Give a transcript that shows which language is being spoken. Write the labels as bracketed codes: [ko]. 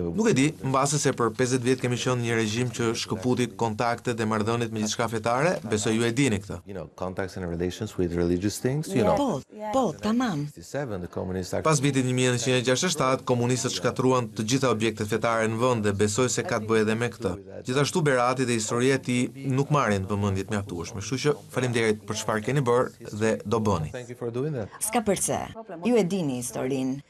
[sq] nuk e di, mbase se për 50 vjet kemi qenë një regjim që shkëputi kontaktet dhe marrëdhëniet me diçka fetare, besoj ju e dini këtë. [en] You know, contacts and relations with religious things, you know. [sq] Po, tamam. Pas vitit 1967, komunistët shkatruan të gjitha objektet fetare në vend dhe besoj se ka të bëjë edhe me këtë. Gjithashtu Berati dhe historia e tij nuk marrin vëmendje të mjaftueshme, kështu që faleminderit për çfarë keni bërë dhe do bëni. S'ka përse. Ju e dini historinë.